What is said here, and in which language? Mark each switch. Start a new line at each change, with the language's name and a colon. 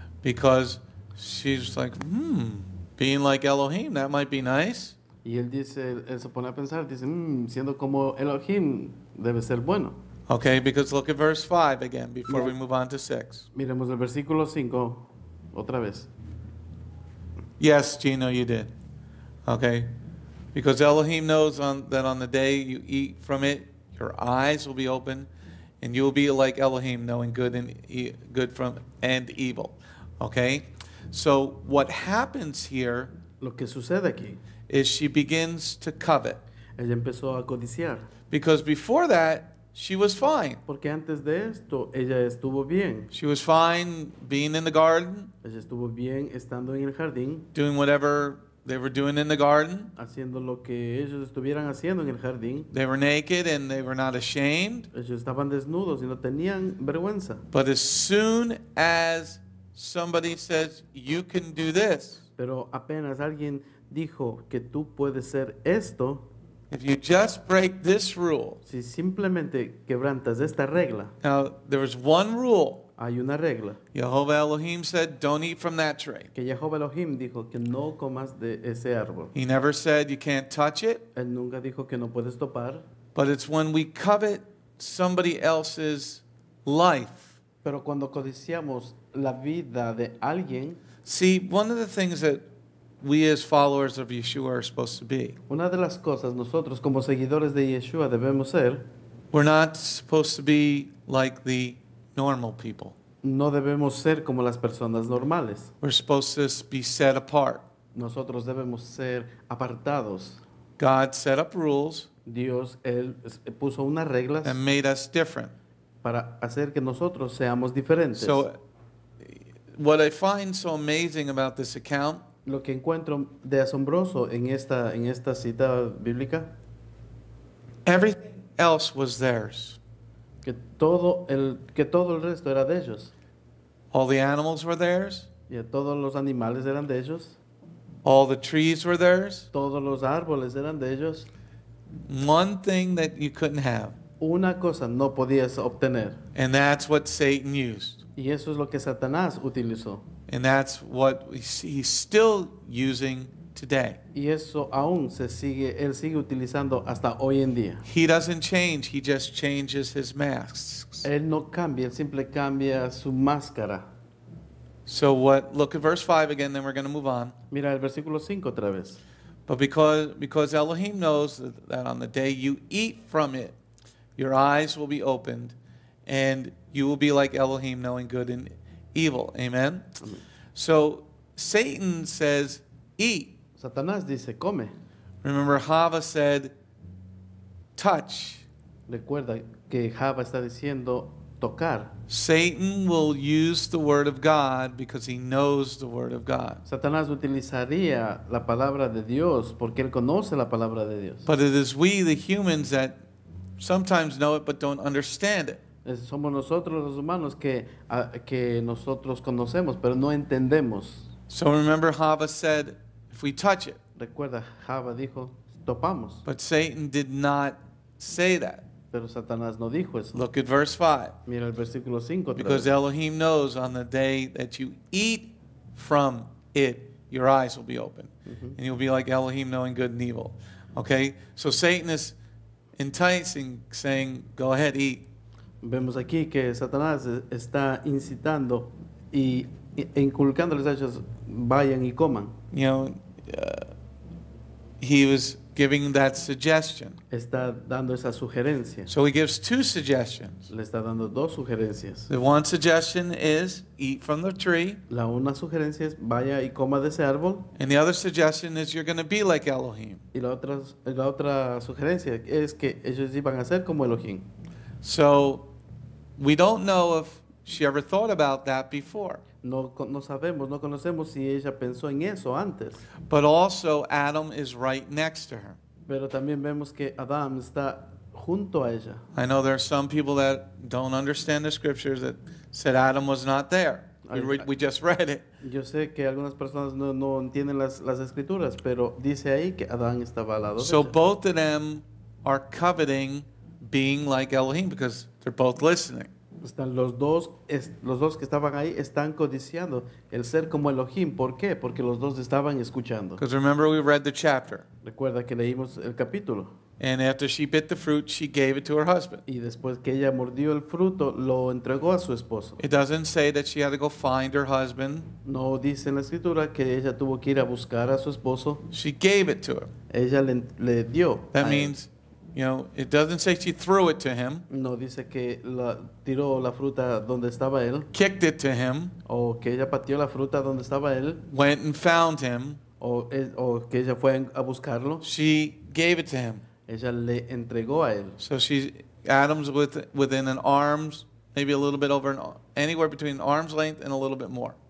English: Because she's like, being like Elohim, that might be nice.
Spanish: Y él dice, él se pone a pensar, dice, siendo como Elohim, debe ser bueno.
English: Okay, because look at verse 5 again before we move on to 6.
Spanish: Miremos el versículo 5. Otra vez.
English: Yes, Gino, you did. Okay. Because Elohim knows that on the day you eat from it, your eyes will be open, and you will be like Elohim, knowing good and good from and evil. Okay? So what happens here,
Spanish: lo que sucede aquí,
English: is she begins to covet.
Spanish: Ella empezó a codiciar.
English: Because before that, she was fine.
Spanish: Porque antes de esto, ella estuvo bien.
English: She was fine being in the garden.
Spanish: Ella estuvo bien estando en el jardín.
English: Doing whatever they were doing in the garden.
Spanish: Haciendo lo que ellos estuvieran haciendo en el jardín.
English: They were naked and they were not ashamed.
Spanish: Ellos estaban desnudos y no tenían vergüenza.
English: But as soon as somebody says, you can do this.
Spanish: Pero apenas alguien dijo que tú puedes ser esto.
English: If you just break this rule.
Spanish: Si simplemente quebrantas esta regla.
English: Now, there is one rule.
Spanish: Hay una regla.
English: Jehovah Elohim said, don't eat from that tree.
Spanish: Que Jehovah Elohim dijo que no comas de ese árbol.
English: He never said you can't touch it.
Spanish: Él nunca dijo que no puedes topar.
English: But it's when we covet somebody else's life.
Spanish: Pero cuando codiciamos la vida de alguien.
English: See, one of the things that we as followers of Yeshua are supposed to be.
Spanish: Una de las cosas nosotros como seguidores de Yeshua debemos ser.
English: We're not supposed to be like the normal people.
Spanish: No debemos ser como las personas normales.
English: We're supposed to be set apart.
Spanish: Nosotros debemos ser apartados.
English: God set up rules.
Spanish: Dios él puso unas reglas.
English: And made us different.
Spanish: Para hacer que nosotros seamos diferentes.
English: So, what I find so amazing about this account.
Spanish: Lo que encuentro de asombroso en esta cita bíblica.
English: Everything else was theirs.
Spanish: Que todo el resto era de ellos.
English: All the animals were theirs.
Spanish: Yeah, todos los animales eran de ellos.
English: All the trees were theirs.
Spanish: Todos los árboles eran de ellos.
English: One thing that you couldn't have.
Spanish: Una cosa no podías obtener.
English: And that's what Satan used.
Spanish: Y eso es lo que Satanás utilizó.
English: And that's what he's still using today.
Spanish: Y eso aún se sigue, él sigue utilizando hasta hoy en día.
English: He doesn't change, he just changes his masks.
Spanish: Él no cambia, él simple cambia su máscara.
English: So what, look at verse 5 again, then we're going to move on.
Spanish: Mira el versículo 5 otra vez.
English: But because Elohim knows that on the day you eat from it, your eyes will be opened, and you will be like Elohim, knowing good and evil. Amen. So Satan says, eat.
Spanish: Satanás dice, come.
English: Remember, Hava said, touch.
Spanish: Recuerda que Hava está diciendo, tocar.
English: Satan will use the word of God because he knows the word of God.
Spanish: Satanás utilizaría la palabra de Dios porque él conoce la palabra de Dios.
English: But it is we, the humans, that sometimes know it but don't understand it.
Spanish: Somos nosotros los humanos que nosotros conocemos pero no entendemos.
English: So remember, Hava said, if we touch it.
Spanish: Recuerda, Hava dijo, topamos.
English: But Satan did not say that.
Spanish: Pero Satanás no dijo eso.
English: Look at verse 5.
Spanish: Mira el versículo 5.
English: Because Elohim knows on the day that you eat from it, your eyes will be open. Mm-hmm. And you'll be like Elohim, knowing good and evil. Okay? So Satan is enticing, saying, go ahead, eat.
Spanish: Vemos aquí que Satanás está incitando y inculcándoles a ellos, vayan y coman.
English: You know, he was giving that suggestion.
Spanish: Está dando esa sugerencia.
English: So he gives two suggestions.
Spanish: Le está dando dos sugerencias.
English: The one suggestion is eat from the tree.
Spanish: La una sugerencia es vaya y coma de ese árbol.
English: And the other suggestion is you're going to be like Elohim.
Spanish: Y la otra sugerencia es que ellos iban a ser como Elohim.
English: So we don't know if she ever thought about that before.
Spanish: No sabemos, no conocemos si ella pensó en eso antes.
English: But also Adam is right next to her.
Spanish: Pero también vemos que Adam está junto a ella.
English: I know there are some people that don't understand the scriptures that said Adam was not there. We just read it.
Spanish: Yo sé que algunas personas no entienden las escrituras, pero dice ahí que Adán estaba al lado.
English: So both of them are coveting being like Elohim because they're both listening.
Spanish: Están los dos que estaban ahí están codiciando el ser como Elohim. ¿Por qué? Porque los dos estaban escuchando.
English: Because remember we read the chapter.
Spanish: Recuerda que leímos el capítulo.
English: And after she bit the fruit, she gave it to her husband.
Spanish: Y después que ella mordió el fruto, lo entregó a su esposo.
English: It doesn't say that she had to go find her husband.
Spanish: No dice en la escritura que ella tuvo que ir a buscar a su esposo.
English: She gave it to him.
Spanish: Ella le dio.
English: That means, you know, it doesn't say she threw it to him.
Spanish: No dice que tiró la fruta donde estaba él.
English: Kicked it to him.
Spanish: O que ella pateó la fruta donde estaba él.
English: Went and found him.
Spanish: O que ella fue a buscarlo.
English: She gave it to him.
Spanish: Ella le entregó a él.
English: So Adam's within an arm's, maybe a little bit over, anywhere between arm's length and a little bit more.